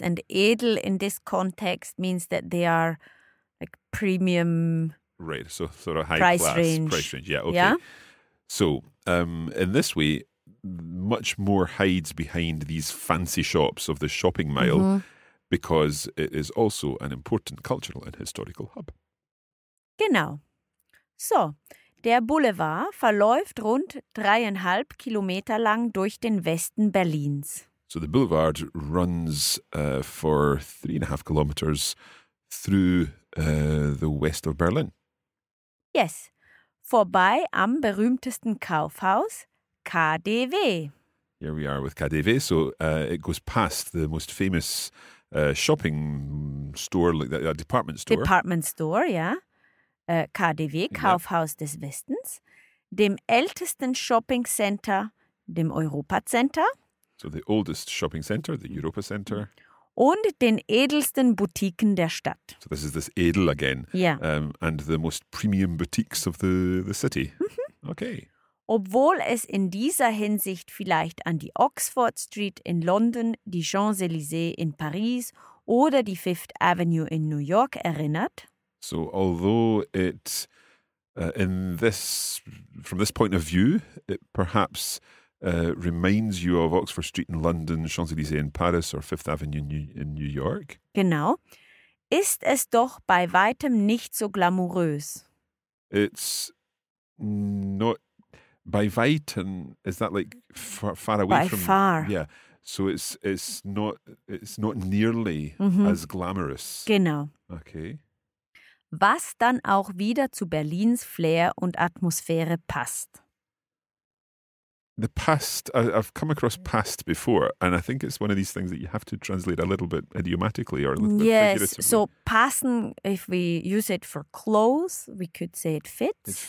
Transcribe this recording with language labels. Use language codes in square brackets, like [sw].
[en] And edel in this context means that they are like premium. Right, so sort of high price range. Yeah, okay. Yeah? So, in this way, much more hides behind these fancy shops of the shopping mile because it is also an important cultural and historical hub. [de] Genau. So, der Boulevard verläuft rund 3,5 Kilometer lang durch den Westen Berlins. [en] So the boulevard runs for 3.5 kilometers through the west of Berlin. [de] Yes, vorbei am berühmtesten Kaufhaus, KDW. [en] Here we are with KDW. So it goes past the most famous shopping store, like a department store. Department store, ja. KDW, Kaufhaus des Westens. [de] Dem ältesten Shopping Center, dem Europa Center. [en] So the oldest shopping center, the Europa Center. [de] Und den edelsten Boutiquen der Stadt. [en] So this is this edel again. Yeah. And the most premium boutiques of the city. Okay. [de] Obwohl es in dieser Hinsicht vielleicht an die Oxford Street in London, die Champs-Élysées in Paris oder die Fifth Avenue in New York erinnert. [en] So although it, in this, from this point of view, it perhaps reminds you of Oxford Street in London, Champs-Élysées in Paris, or Fifth Avenue in New York. [de] Genau. ist es doch bei weitem nicht so glamourös. [en] It's not by weitem. Is that like far away by from? By far. Yeah. So it's not nearly as glamorous. [de] Genau. [en] Okay. [de] Was dann auch wieder zu Berlins Flair und Atmosphäre passt. [en] The past, I've come across past before, and I think it's one of these things that you have to translate a little bit idiomatically or a little yes. bit figuratively. Yes, so passen, if we use it for clothes, we could say it fits.